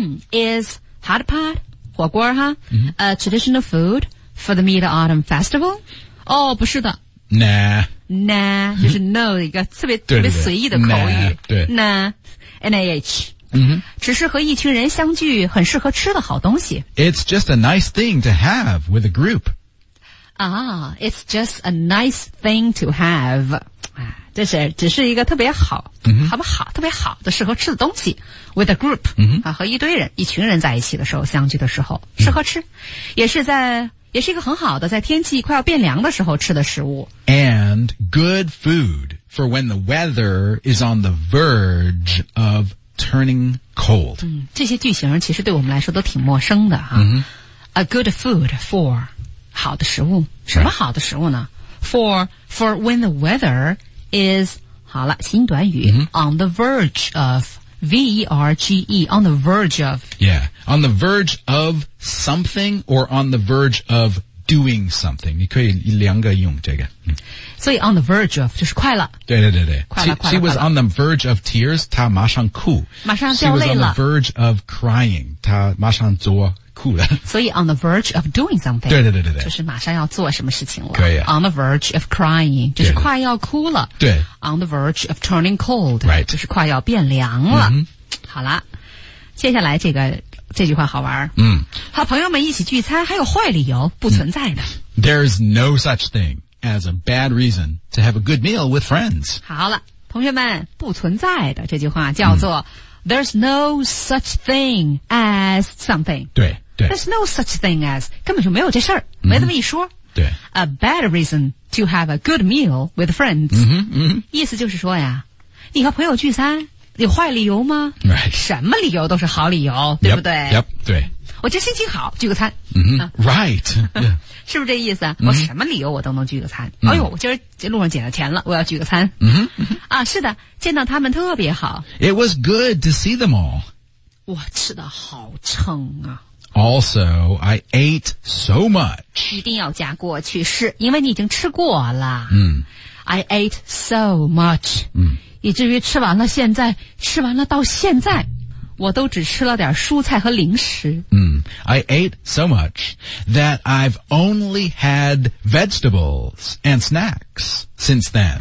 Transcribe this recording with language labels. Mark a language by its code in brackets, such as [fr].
[en] Is hot pot, [zh] 火锅哈、 [en] a traditional food for the Mid-Autumn Festival? [zh] 哦不是的。 [en] Nah. Nah, [zh] 就是 no, 一个特别对对对特别随意的口语。 [en] Nah, N-A-H. [zh] 只是和一群人相聚很适合吃的好东西。 [en] It's just a nice thing to have with a group. It's just a nice thing to have. [zh] 这是只是一个特别好、好不好特别好的适合吃的东西。 [en] With a group,、 [zh] 和一堆人一群人在一起的时候相聚的时候适合吃。也是一个很好的在天气快要变凉的时候吃的食物。 [en] And good food for when the weather is on the verge of turning cold. [zh] 这些句型其实对我们来说都挺陌生的哈。 [en] A good food for [zh] 好的食物。什么好的食物呢 [en] for when the weather is, [zh] 好了新短语、 [en] on the verge of, [zh] V-E-R-G-E, on the verge of. [en] Yeah, on the verge of something or on the verge of doing something. [zh] 你可以两个用这个。所以 on the verge of 就是快了。对对对对。快了。 [en] She was on the verge of tears, [zh] 她马上哭。马上掉泪了。 [en] She was on the verge of crying, [zh] 她马上做哭了。所以 [en] on the verge of doing something. [zh] 对对对对对。就是马上要做什么事情了。可以、 [en] on the verge of crying, [zh] 就是快要哭了。对, 对, 对。 [en] On the verge of turning cold,、 right. [zh] 就是快要变凉了。好啦。接下来这句话好玩。和朋友们一起聚餐还有坏理由不存在的。 [en] There's no such thing. As a bad reason to have a good meal with friends. [zh] 好了，同学们，不存在的这句话叫做、 [en] There's no such thing as something. [zh] 对对。 [en] There's no such thing as, [zh] 根本就没有这事儿、没这么一说。对。 [en] A bad reason to have a good meal with friends. [zh] 意思就是说呀，你和朋友聚餐，有坏理由吗？ [en] Right. [zh] 什么理由都是好理由，对不对？ [en] Yep, [zh] 对。我这心情好，聚个餐。 [en] Right.、 [zh] 是不是这意思、我什么理由我都能聚个餐、哎呦我今儿路上捡了钱了我要聚个餐、是的见到他们特别好 [en] It was good to see them all [zh] 我吃得好撑啊 [en] Also I ate so much [zh] 一定要加过去式因为你已经吃过了、 [en] I ate so much、 [zh] 以至于吃完了现在吃完了到现在我都只吃了点蔬菜和零食。 [en] I ate so much that I've only had vegetables and snacks since then.、